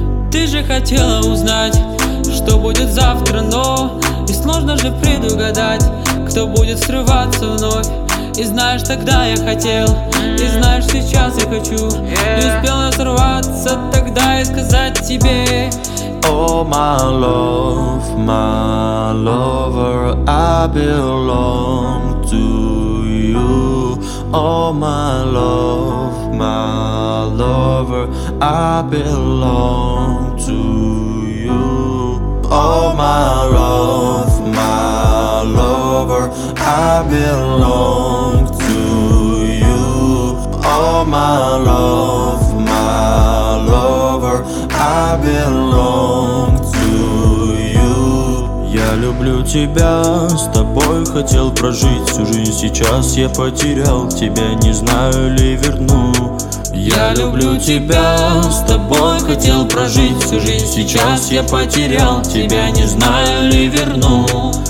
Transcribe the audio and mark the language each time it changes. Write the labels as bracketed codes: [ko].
[ru] Ты же хотела узнать, что будет завтра, но и сложно же предугадать, кто будет срываться вновь. И знаешь, тогда я хотел, и знаешь, сейчас я хочу. Не успел оторваться тогда и сказать тебе: [en] oh, my love, my lover, I belong to you. Oh, my love, my lover, I belong to you. Oh, my love, my lover, I belong to you. Oh, my love, my lover, I belong to you. [ru] Я люблю тебя, с тобой хотел прожить всю жизнь. Сейчас я потерял тебя, не знаю ли верну. Я люблю тебя, с тобой хотел прожить всю жизнь. Сейчас я потерял тебя, не знаю ли верну.